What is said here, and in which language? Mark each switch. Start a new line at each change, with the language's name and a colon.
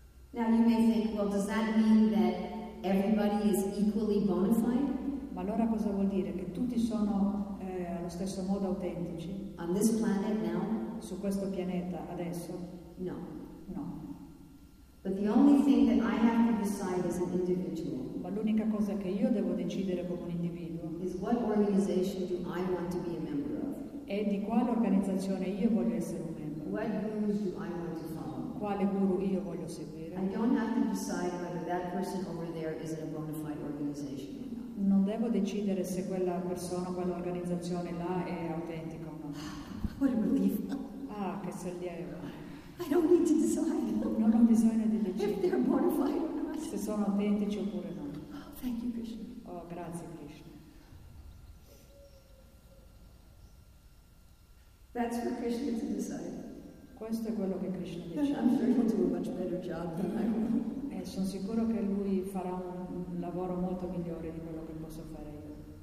English: Now you may think, well, does that mean that everybody is equally bona fide?
Italian: Ma allora cosa vuol dire? Che tutti sono allo stesso modo autentici?
English: On this planet now?
Italian: Su questo pianeta adesso?
English: No.
Italian: No.
English: But the only thing that I have to decide as an individual.
Italian: Ma l'unica cosa che io devo decidere come un individuo.
English: Is what organization do I want to be a member of?
Italian: È di quale organizzazione io voglio essere un membro.
English: What gurus do I want to follow?
Italian: Quale guru io voglio seguire?
English: I don't have to decide whether that person over there is in a bona fide organization or not.
Italian: Non devo decidere se quella persona, quell'organizzazione là è autentica o no.
English: What a relief.
Italian: Ah, che sollievo.
English: I don't need to decide.
Italian: Non ho bisogno di decidere.
English: If they're bona fide.
Italian: Se sono autentici oppure no.
English: Oh, thank you, Krishna.
Italian: Oh, grazie, Krishna.
English: That's for Krishna to decide.
Italian: Questo è quello che Krishna dice.
English: I'm sure he'll do a much better job than I will.
Italian: E sono sicuro che lui farà un lavoro molto migliore di quello che posso fare io.